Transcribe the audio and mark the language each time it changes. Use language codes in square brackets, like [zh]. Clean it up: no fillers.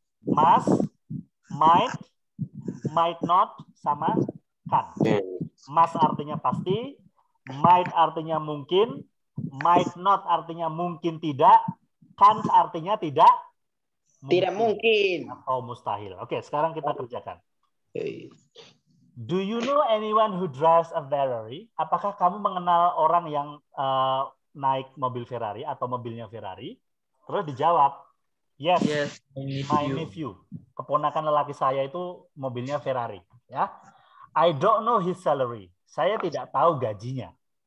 [en] Must, might, might not, sama can't. [id] Must artinya pasti, might artinya mungkin, might not artinya mungkin tidak, can't artinya tidak mungkin. Tidak mungkin atau mustahil. Oke, sekarang kita kerjakan. [en] Do you know anyone who drives a Ferrari? [id] Apakah kamu mengenal orang yang naik mobil Ferrari atau mobilnya Ferrari? Terus dijawab, [en] yes, my nephew. [id] Keponakan lelaki saya itu mobilnya Ferrari. Ya, [en] I don't know his salary. [id] Saya tidak tahu gajinya.